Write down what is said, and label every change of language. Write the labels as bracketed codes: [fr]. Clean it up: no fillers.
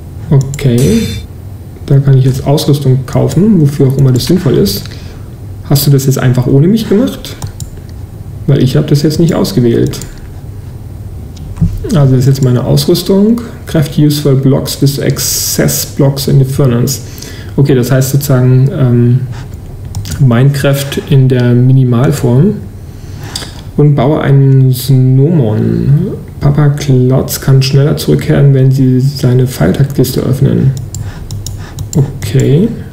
[de] Okay. Da kann ich jetzt Ausrüstung kaufen, wofür auch immer das sinnvoll ist. Hast du das jetzt einfach ohne mich gemacht? Weil ich habe das jetzt nicht ausgewählt. Also das ist jetzt meine Ausrüstung. [en] Craft useful blocks with access blocks in the furnace. [de] Okay, das heißt sozusagen Minecraft in der Minimalform. Und baue einen Snowmon. Papa Klotz kann schneller zurückkehren, wenn sie seine Pfeiltaktkiste öffnen. Okay.